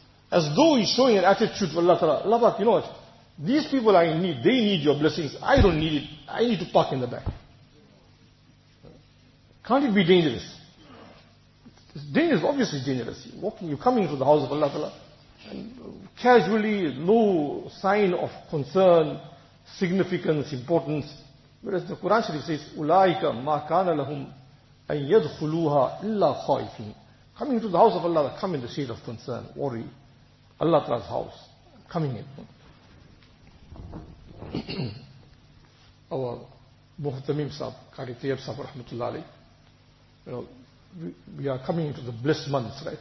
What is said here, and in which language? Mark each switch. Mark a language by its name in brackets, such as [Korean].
[English] As though he's showing an attitude to Allah Ta'ala. Allah Ta'ala, you know what? These people I need, they need your blessings. I don't need it. I need to park in the back. Can't it be dangerous? It's dangerous, obviously dangerous. You're walking, you're coming to the house of Allah Ta'ala, and casually, no sign of concern, significance, importance. Whereas the Quran Sharif says, [Arabic] أُولَٰئِكَ مَا كَانَ لَهُمْ أَن يَدْخُلُوهَا إِلَّا خَائِفِينَ. [English] Coming to the house of Allah Ta'ala, come in the state of concern, worry. Allah Ta'ala's house, coming in. Our Muhtamim Sahib, Qari Tayyab Sahib, Rahmatullah Alayh, you know, we are coming into the bliss months, right?